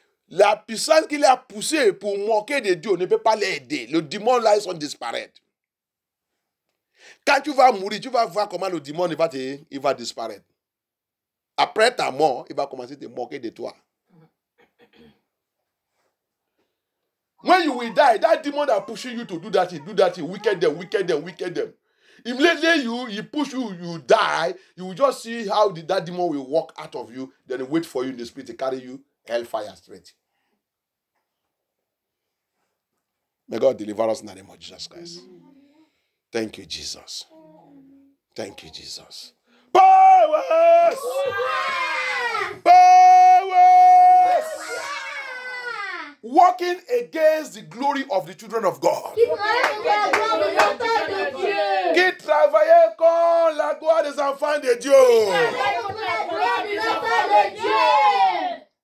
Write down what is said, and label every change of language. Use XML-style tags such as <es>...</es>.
<fr>La puissance qu'il a poussée pour moquer de Dieu ne peut pas l'aider. Le démon là, ils sont disparaître. Quand tu vas mourir, tu vas voir comment le démon il va disparaître. Après ta mort, il va commencer à te moquer de toi.</fr> <en>When you will die, that demon that pushing you to do that thing, wicked them. Immediately he push you, you die, you will just see how that demon will walk out of you, then wait for you in the spirit to carry you hellfire straight. May God deliver us in the name of Jesus Christ. Thank you, Jesus. Thank you, Jesus. Powers! Powers! Walking against the glory of the children of God.</en> <fr>Qui travaille contre la gloire des enfants de Dieu.</fr>